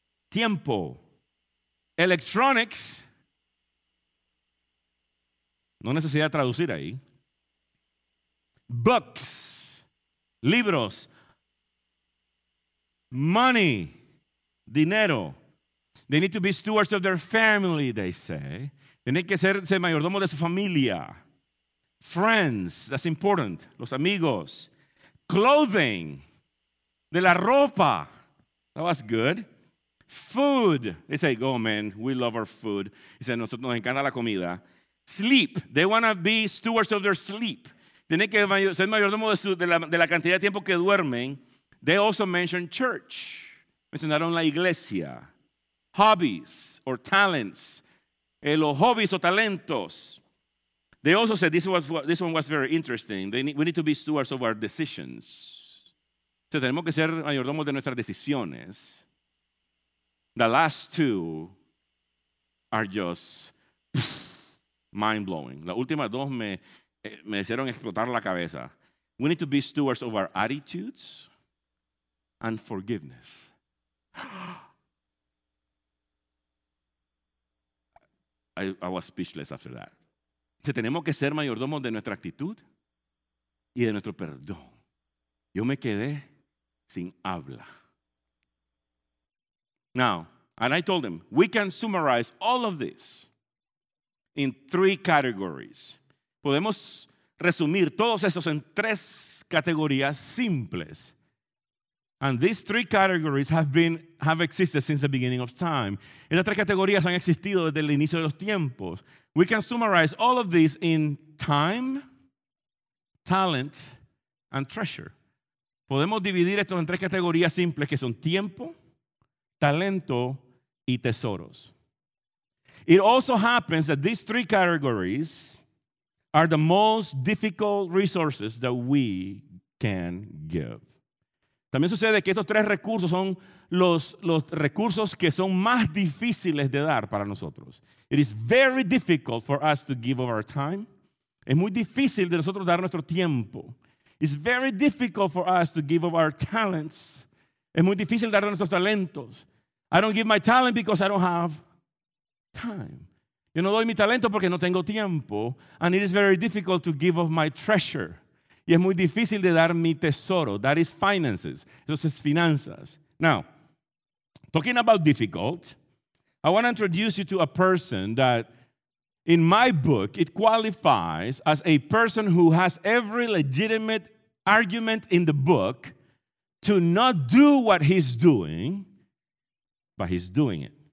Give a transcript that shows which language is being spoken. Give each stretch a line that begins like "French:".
Spanish: tiempo, electronics, no necesidad de traducir ahí, books, libros, money, dinero.
English: They need to be stewards of their family, they say.
Spanish: Tienen que ser el mayordomo de su familia.
English: Friends, that's important.
Spanish: Los amigos.
English: Clothing,
Spanish: de la ropa.
English: That was good. Food, they say, oh man, we love our food.
Spanish: Dicen, nosotros nos encanta la comida.
English: Sleep, they want to be stewards of their sleep.
Spanish: Tienen que ser el mayordomo de, su, de la cantidad de tiempo que duermen.
English: They also mention church.
Spanish: Mencionaron la iglesia.
English: Hobbies or talents.
Spanish: Los hobbies o talentos.
English: They also said, this one was very interesting. We need to be stewards of our decisions.
Spanish: O sea, tenemos que ser mayordomos de nuestras decisiones.
English: The last two are just mind-blowing.
Spanish: Las últimas dos me hicieron explotar la cabeza.
English: We need to be stewards of our attitudes and forgiveness. I was speechless after that.
Spanish: Si tenemos que ser mayordomos de nuestra actitud y de nuestro perdón. Yo me quedé sin habla.
English: Now, and I told them, we can summarize all of this in three categories.
Spanish: Podemos resumir todos estos en tres categorías simples.
English: And these three categories have existed since the beginning of time.
Spanish: Estas tres categorías han existido desde el inicio de los tiempos.
English: We can summarize all of these in time, talent, and treasure.
Spanish: Podemos dividir estos en tres categorías simples que son tiempo, talento, y tesoros.
English: It also happens that these three categories are the most difficult resources that we can give.
Spanish: También sucede que estos tres recursos son los recursos que son más difíciles de dar para nosotros.
English: It is very difficult for us to give of our time.
Spanish: Es muy difícil de nosotros dar nuestro tiempo.
English: It's very difficult for us to give of our talents.
Spanish: Es muy difícil dar nuestros talentos.
English: I don't give my talent because I don't have time.
Spanish: Yo no doy mi talento porque no tengo tiempo.
English: And it is very difficult to give of my treasure.
Spanish: Y es muy difícil de dar mi tesoro.
English: That is finances.
Spanish: Eso es finanzas.
English: Now, talking about difficult, I want to introduce you to a person that, in my book, it qualifies as a person who has every legitimate argument in the book to not do what he's doing, but he's doing it.